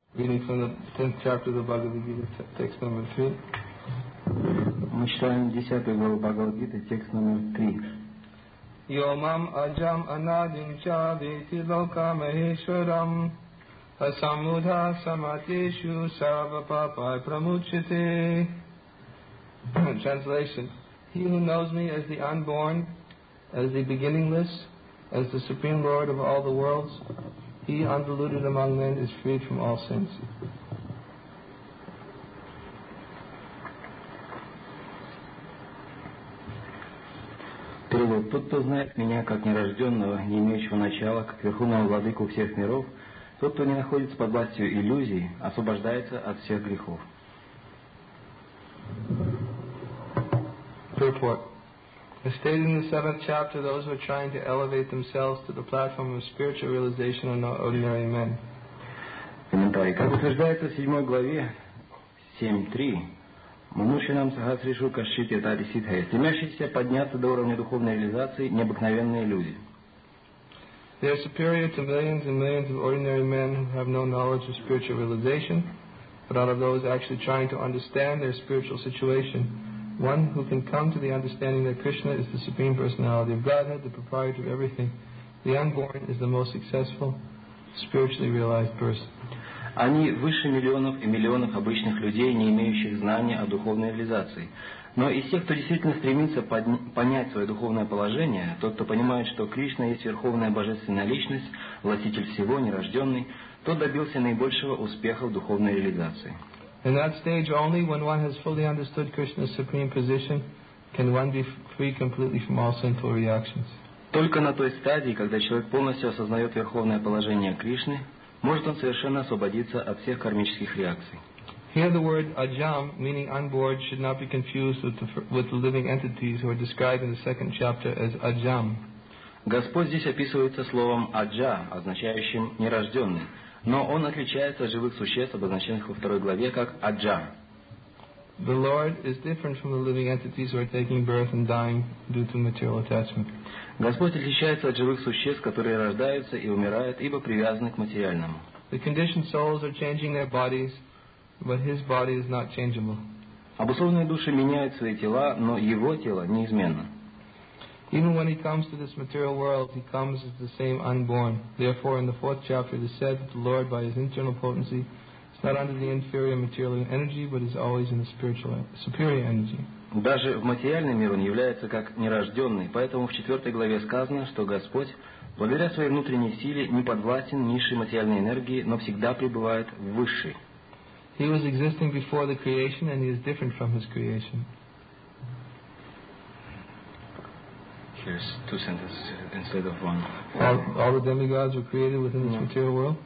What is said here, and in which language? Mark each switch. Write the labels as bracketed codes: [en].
[en] Reading from the 10th chapter of the Bhagavad Gita, text number 3. [ru] Мы читаем 10 главу Бхагавад Гиты, текст номер 3. [sa] Йомам аджам анадим ча вети лока махешварам асамудха саматешу сарва папай прамучате. [en] Translation. He who knows me as the unborn, as the beginningless, as the supreme lord of all the worlds, he undiluted among men is freed from all sins. [ru] Перевод. Тот, кто знает меня как нерожденного, не имеющего начала, как верховного владыку всех миров, тот, кто не находится под властью иллюзий, освобождается от всех грехов. [en] Purport. As stated in the 7th chapter, those who are trying to elevate themselves to the platform of spiritual realization are not ordinary men. [ru] Комментарий. Как утверждается в 7 главе, 7.3, [sa] Мунушинам Сахасришу Кашити Тари Ситхая, [ru] стремящиеся подняться до уровня духовной реализации, необыкновенные люди. [en] They are superior to millions and millions of ordinary men who have no knowledge of spiritual realization, but out of those actually trying to understand their spiritual situation, one who can come to the understanding that Krishna is the Supreme Personality of Godhead, the proprietor of everything, the unborn is the most successful, spiritually realized person. [ru] Они выше миллионов и миллионов обычных людей, не имеющих знания о духовной реализации. Но из тех, кто действительно стремится понять свое духовное положение, тот, кто понимает, что Кришна есть Верховная Божественная Личность, Властитель Всего, Нерожденный, тот добился наибольшего успеха в духовной реализации. [en] In that stage only, when one has fully understood Krishna's supreme position, can one be free completely from all sinful reactions. [ru] Только на той стадии, когда человек полностью осознает Верховное Положение Кришны, может он совершенно освободиться от всех кармических реакций. [en] Here the word ajam, meaning unborn, should not be confused with the living entities who are described in the 2nd chapter as ajam. [ru] Господь здесь описывается словом аджа, означающим нерожденный, но он отличается от живых существ, обозначенных во 2 главе, как аджа. [en] The Lord is different from the living entities who are taking birth and dying due to material attachment. [ru] Господь отличается от живых существ, которые рождаются и умирают, ибо привязаны к материальному. [en] The conditioned souls are changing their bodies, but his body is not changeable. [ru] Обусловленные души меняют свои тела, но его тело неизменно. [en] Even when he comes to this material world, he comes as the same unborn. Therefore, in the 4th chapter, it is said that the Lord, by his internal potency, is not under the inferior material energy, but is always in the spiritual superior energy. [ru] Даже в материальный мир он является как нерожденный, поэтому в 4 главе сказано, что Господь, благодаря своей внутренней силе, не подвластен низшей материальной энергии, но всегда пребывает в высшей. [en] He was existing before the creation, and he is different from his creation. Here's two sentences instead of one. All the demigods were created within this material world?